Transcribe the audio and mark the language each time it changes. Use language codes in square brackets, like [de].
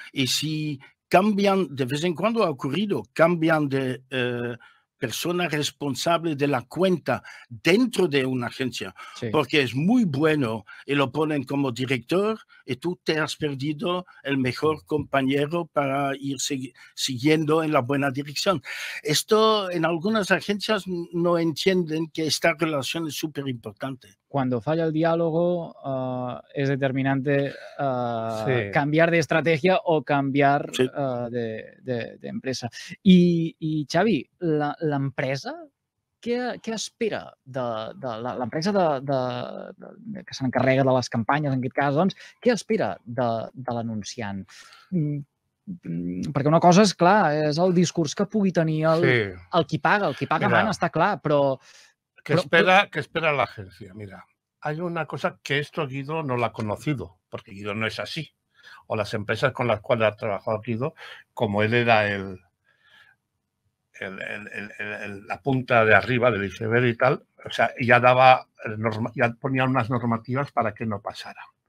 [es] Y si cambian, de vez en cuando ha ocurrido, cambian de persona responsable de la cuenta dentro de una agencia, sí, porque es muy bueno y lo ponen como director y tú te has perdido el mejor compañero para ir siguiendo en la buena dirección. Esto en algunas agencias no entienden que esta relación es súper importante. Cuando falla el diálogo, es determinante sí, cambiar de estrategia o cambiar sí, de empresa. [ca] I Xavi, l'empresa, què espera de l'empresa de que s'encarrega de les campanyes, en aquest cas, doncs, què espera de l'anunciant? Perquè una cosa és clar, és el discurs que pugui tenir el qui paga. El qui paga mana, està clar, però... [es] ¿Qué espera la agencia? Mira, hay una cosa que esto Guido no la ha conocido, porque Guido no es así. O las empresas con las cuales ha trabajado Guido, como él era la punta de arriba del iceberg y tal, o sea, ya ponía unas normativas para que no pasara.